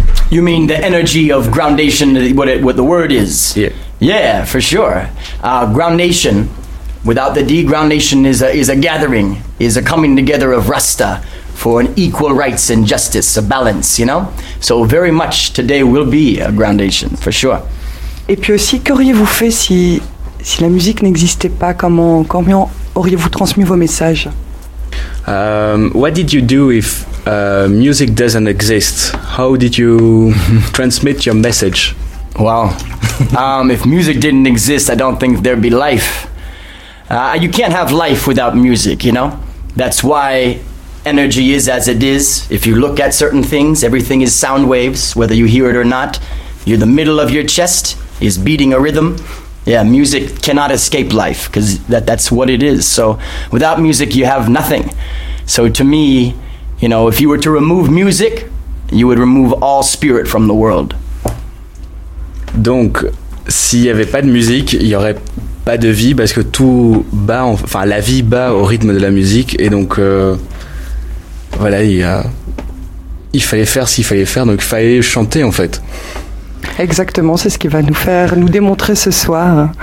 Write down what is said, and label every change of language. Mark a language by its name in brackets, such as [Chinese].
[English] You mean the energy of Groundation, what the word is? Yeah. Yeah, for sure. Groundation, without the D, Groundation is a gathering, is a coming together of Rasta for an equal rights and justice, a balance, you know? So very much today will be a Groundation, for sure. [French] Et puis aussi, qu'auriez-vous fait si la musique n'existait pas? Comment auriez-vous transmis vos messages? [English] What did you do if music doesn't exist? How did you transmit your message? Well, if music didn't exist, I don't think there'd be life. You can't have life without music, you know? That's why energy is as it is. If you look at certain things, everything is sound waves, whether you hear it or not. You're the middle of your chest. Is beating a rhythm. Yeah, music cannot escape life because that's what it is. So without music, you have nothing. So to me, you know, if you were to remove music, you would remove all spirit from the world. [French] Donc, s'il n'y avait pas de musique, il n'y aurait pas de vie parce que tout bat, enfin, la vie bat au rythme de la musique. Et donc, voilà, il fallait faire ce qu'il fallait faire. Donc, il fallait chanter, en fait. Exactement, c'est ce qu'il va nous faire, nous démontrer ce soir.